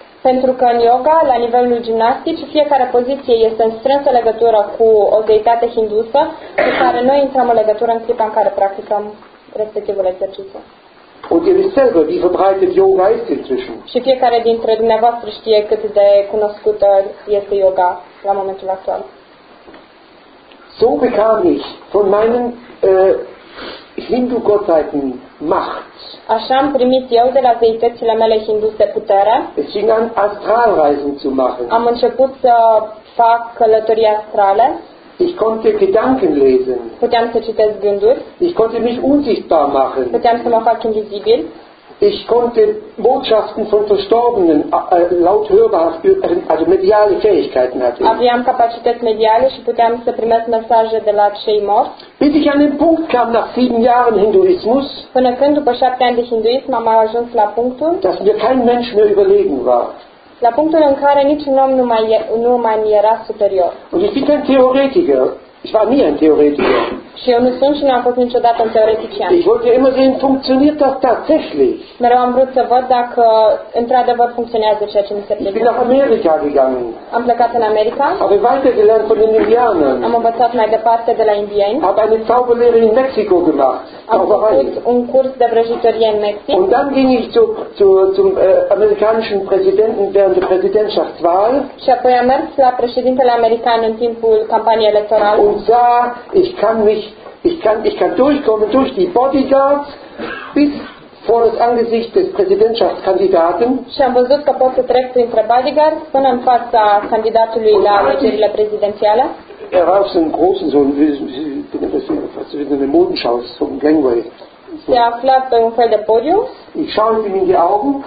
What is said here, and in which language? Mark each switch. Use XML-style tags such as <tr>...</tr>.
<ro>Pentru că în yoga, la nivelul gimnastic, fiecare poziție este în strânsă legătură cu o deitate hindusă, cu care noi intrăm în legătură în clipa în care practicăm respectivul exercițiu.</ro> <de>Und ihr wisst selber, wie verbreitet Yoga ist inzwischen.</de> <ro>Și fiecare dintre dumneavoastră știe cât de cunoscută este yoga la momentul actual.</ro> <de>So bekam ich von meinen Hindu-Gottheiten Macht.</de> <ro>Așa am primit eu de la zeitățile mele hinduse putere.</ro> <de>Es ging an Astralreisen zu machen.</de> <ro>Am început să fac călătorii astrale.</ro> <de>Ich konnte Gedanken lesen.</de> <ro>Puteam să citesc gânduri.</ro> <de>Ich konnte mich unsichtbar machen.</de> <ro>Puteam să mă fac invizibil.</ro> <de>Ich konnte Botschaften von Verstorbenen laut hörbar, also mediale Fähigkeiten hatte.</de> <ro>Aveam capacități mediale și puteam să primesc mesaje de la cei morți.</ro> <de>Bis ich an den Punkt kam nach 7 Jahren Hinduismus,</de> <ro>până când după 7 ani de hinduism am ajuns la punctul,</ro> <de>dass mir kein Mensch mehr überlegen war.</de> <ro>La punctul în care niciun om nu mai era superior.</ro> <de>Und ich bin kein Theoretiker. Ich war nie ein Theoretiker.</de> <ro>Și eu nu sunt și nu am fost niciodată un teoretician.</ro> <de>Ich wollte immer sehen, funktioniert das tatsächlich.</de> <ro>Mereu am vrut să văd dacă într-adevăr funcționează ceea ce mi se predică.</ro> <de>Ich bin nach Amerika gegangen.</de> <ro>Am plecat în America.</ro> <de>Habe weitergelernt von den Indianern.</de> <ro>Am învățat mai departe de la indieni.</ro> <de>Habe eine Zauberlehre in Mexiko gemacht.</de> <ro>Am făcut un curs de vrăjitorie în Mexic.</ro> <de>Und dann ging ich zum amerikanischen Präsidenten während der Präsidentschaftswahl.</de> <ro>Și apoi am mers la președintele american în timpul campaniei electorale.</ro> <de>Und sah, ich kann durchkommen durch die Bodyguards bis vor das Angesicht des Präsidentschaftskandidaten.</de> <ro>Și am văzut că pot să trec printre bodyguards până în fața candidatului la alegerile prezidențiale.</ro> <de>Er war so ein großen, so ein bisschen eine Modenschau, so ein Gangway.</de> <ro>Se afla pe un fel de podiu.</ro> <de>Ich schaue ihm in die Augen.</de>